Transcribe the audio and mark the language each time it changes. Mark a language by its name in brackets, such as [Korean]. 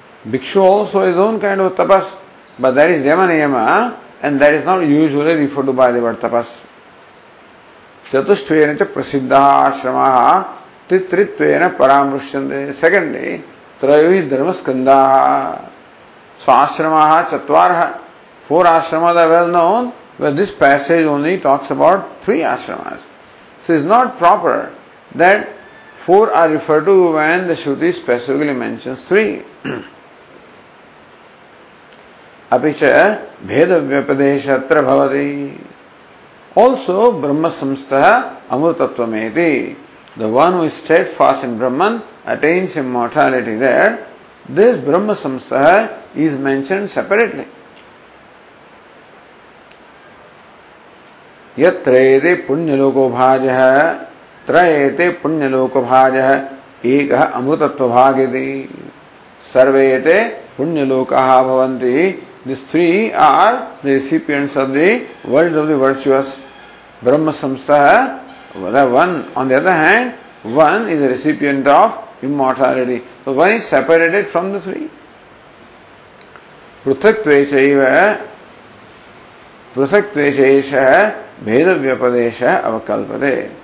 [English] भिक्षु also is one kind of तपस, but that is यमनियम and that is not usually referred by the word तपस. [Sanskrit] चतुष्टयेन च प्रसिद्धः आश्रमः त्रित्वेन परामृश्यन्ते. Secondly त्रयोहि धर्मस्कन्धाः स्वाश्रमः चत्वारः. [English] Four आश्रमः are well known, but this passage only talks about three आश्रमः. So is not proper that four are refer to when the श्रुति specifically mentions three. [Sanskrit] अपि च भेदव्यपदेश अत्र भवति. Also Brahma संस्थः अमृतत्वमेति. [English] The one who is steadfast in Brahman attains immortality there. This Brahma samsthah is mentioned separately. [Sanskrit] यत्रेते पुण्यलोको भाजः त्रयेते पुण्यलोको भाजः एकः अमृतत्वभागेति. सर्वेते पुण्यलोकाः भवन्ति. [English] This three are the recipients of the world of the virtuous. Brahma samsthah one on the other hand one is a recipient of immortality. So one is separated from the three. [Sanskrit] पृथक्त्वे चैव पृथक्त्वे चैष भेद व्यपदेश अवकल्पते.